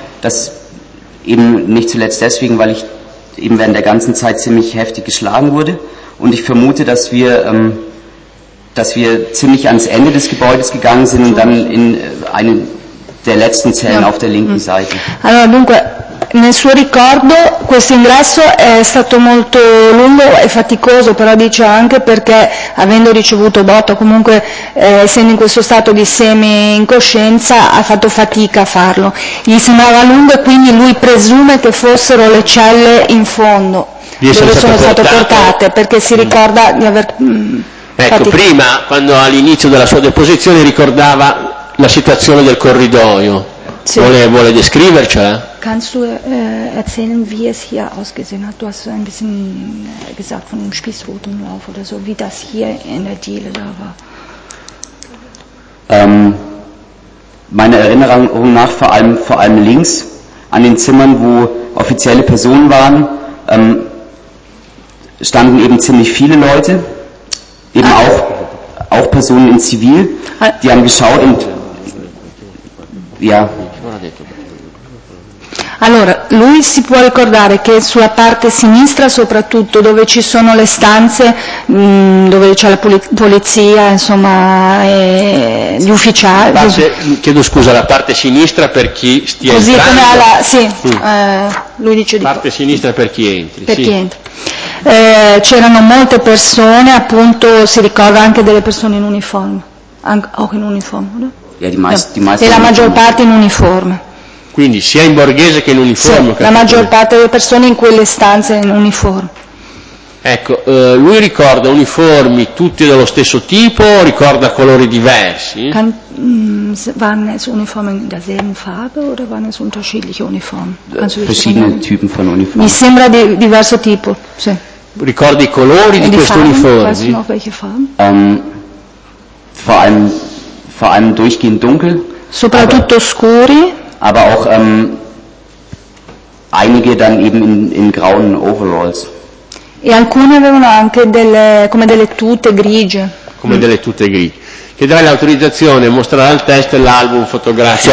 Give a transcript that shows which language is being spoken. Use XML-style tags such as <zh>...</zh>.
<de>Das eben nicht zuletzt deswegen, weil ich eben während der ganzen Zeit ziemlich heftig geschlagen wurde. Und ich vermute, dass wir ziemlich ans Ende des Gebäudes gegangen sind und dann in eine der letzten Zellen auf der linken Seite.</de> <it>Allora, dunque, nel suo ricordo questo ingresso è stato molto lungo e faticoso, però dice anche perché avendo ricevuto botto, comunque essendo in questo stato di semi-incoscienza, ha fatto fatica a farlo. Gli sembrava lungo e quindi lui presume che fossero le celle in fondo dove sono state portate, perché si ricorda di aver fatica. Ecco, prima, quando all'inizio della sua deposizione ricordava la situazione del corridoio. Sì. Vuole descrivercela?</it> <de>Kannst du erzählen, wie es hier ausgesehen hat? Du hast ein bisschen gesagt von einem Spießrutenlauf oder so, wie das hier in der Diele da war. Meiner Erinnerung nach vor allem links an den Zimmern, wo offizielle Personen waren, standen eben ziemlich viele Leute, eben auch Personen in Zivil, die haben geschaut und ja.</de> <it>Allora, lui si può ricordare che sulla parte sinistra soprattutto, dove ci sono le stanze, dove c'è la polizia, insomma, e gli ufficiali... Chiedo scusa, la parte sinistra per chi stia così Così come la... sì, lui dice di... Parte sinistra per chi entri, per sì. Chi entra. C'erano molte persone, appunto, si ricorda anche delle persone in uniforme, anche in uniforme, no?</it> <de>Die meisten</de> <it>e la maggior parte in uniforme. Quindi sia in borghese che in uniforme. Sì, la maggior parte delle persone in quelle stanze in uniforme. Ecco, lui ricorda uniformi tutti dello stesso tipo o ricorda colori diversi?</it> <de>Waren es Uniformen derselben Farbe oder waren es unterschiedliche Uniformen? Verschiedene Typen von Uniformen.</de> <it>Mi sembra di diverso tipo, sì. Ricorda i colori di questi uniformi?</it> <de>Weißt du noch welche Farben? Vor allem durchgehend dunkel.</de> <it>Soprattutto scuri.</it> <de>Aber auch einige dann eben in grauen Overalls.</de> <it>E alcune avevano anche come delle tute grigie. Come delle tute grigie. Chiederai l'autorizzazione, mostrerà il test e l'album fotografico.</it>